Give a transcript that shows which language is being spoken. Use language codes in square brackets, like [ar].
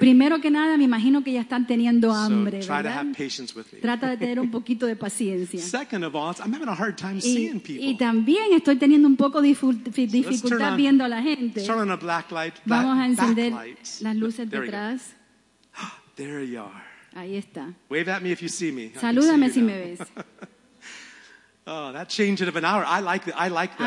[es] Primero que nada, me imagino que ya están teniendo hambre, [en] so try [es] ¿verdad? [en] To have patience with me. [es] Trata de tener un poquito de paciencia. [en] Second of all, I'm having a hard time seeing people. [es] Y también estoy teniendo un poco dificultad viendo a la gente. [en] Turn on a black light. [es] Vamos a encender las luces detrás. [en] There you are. [es] Ahí está. [en] Wave at me if you see me. [es] Salúdame si me ves. [en] Oh, that change of an hour. I like that.